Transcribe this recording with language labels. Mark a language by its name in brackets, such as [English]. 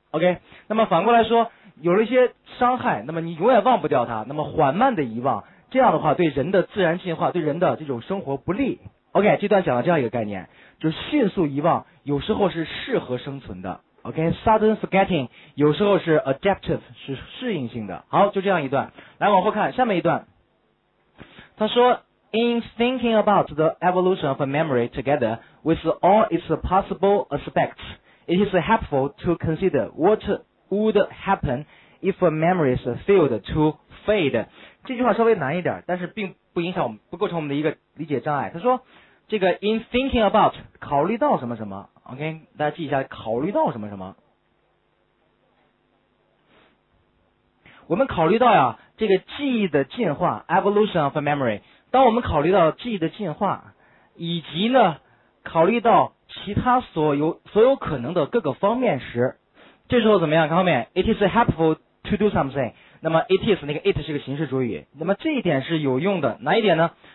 [Chinese] OK, 那么反过来说，有了一些伤害，那么你永远忘不掉它，那么缓慢的遗忘，这样的话对人的自然进化，对人的这种生活不利。 OK, 这段讲了这样一个概念，就是迅速遗忘有时候是适合生存的。 OK, [English] sudden forgetting [Chinese] 有时候是 adaptive, 是适应性的。好，就这样一段，来往后看下面一段。他说， [English] In thinking about the evolution of memory together with all its possible aspects, it is helpful to consider what would happen if memories failed to fade. [Chinese] 这句话稍微难一点，但是并不影响我们，不构成我们的一个理解障碍。他说，这个 [English] in thinking about, [Chinese] 考虑到什么什么， OK, 大家记一下，考虑到什么什么。我们考虑到呀，这个记忆的进化 [English] evolution of memory, [Chinese] 当我们考虑到记忆的进化，以及呢考虑到其他所有可能的各个方面时，这时候怎么样？看后面 [English] it is helpful to do something, [Chinese] 那么 it is, 那个 it 是个形式主语，那么这一点是有用的。哪一点呢？